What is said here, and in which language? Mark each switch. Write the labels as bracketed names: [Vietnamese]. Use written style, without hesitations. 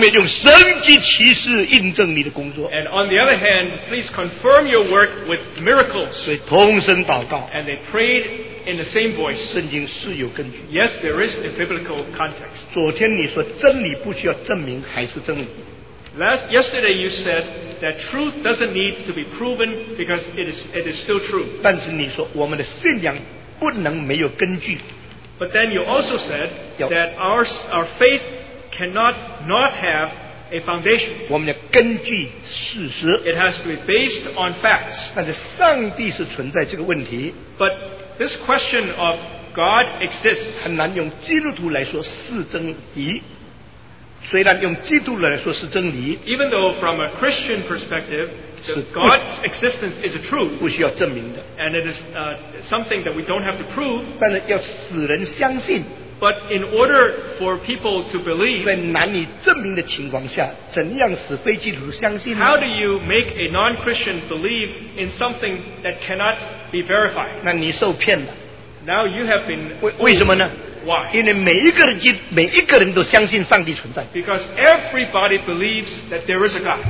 [Chinese] 另一方面用神迹奇事印证你的工作。 [English] And on the other hand, please confirm your work with miracles. [Chinese] 所以同声祷告。 [English] And they prayed in the same voice. [Chinese] 圣经是有根据。 [English] Yes, there is a biblical context. [Chinese] 昨天你说真理不需要证明还是真理。 [English] Yesterday you said that truth doesn't need to be proven because it is still true. [Chinese] 但是你说我们的信仰不能没有根据。 [English] But then you also said that our faith cannot not have a foundation. It has to be based on facts. But this question of God exists. [Chinese] 虽然用基督来说是真理, [English] even though from a Christian perspective, God's existence is a truth, [Chinese] 不需要证明的, [English] and it is something that we don't have to prove. [Chinese] 但是要使人相信, [English] but in order for people to believe, [Chinese] 在难以证明的情况下, 怎样使非基督徒相信呢? [English] How do you make a non-Christian believe in something that cannot be verified? [Chinese] 那你受骗了, [English] now you have been fooled. [Chinese] 为什么呢? [English] Why? [Chinese] 因为每一个人都相信上帝存在。 [English] Because everybody believes that there is a God.